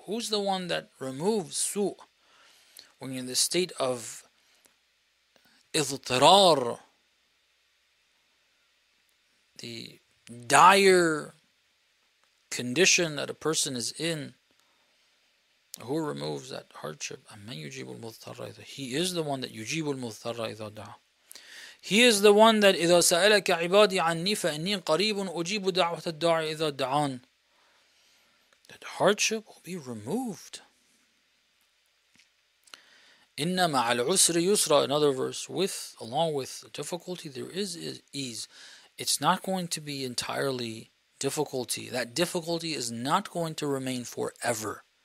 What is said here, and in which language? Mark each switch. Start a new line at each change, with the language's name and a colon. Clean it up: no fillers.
English: Who's the one that removes su when you're in the state of اضطرار, the dire condition that a person is in? Who removes that hardship? He is the one that
Arabic: يُجِيبُ الْمُضْطَرَّ إِذَا دَعَى.
English: He is the one that
Arabic: إِذَا سَأَلَكَ عِبَادِي عَنِّي فَإِنِّي قَرِيبٌ أُجِيبُ دَعْوَةَ الدَّعَى إِذَا دَعَانْ.
English: That hardship will be removed.
Arabic: إِنَّ مَعَ الْعُسْرِ يُسْرَى.
English: Another verse, along with difficulty, there is ease. It's not going to be entirely difficulty. That difficulty is not going to remain forever.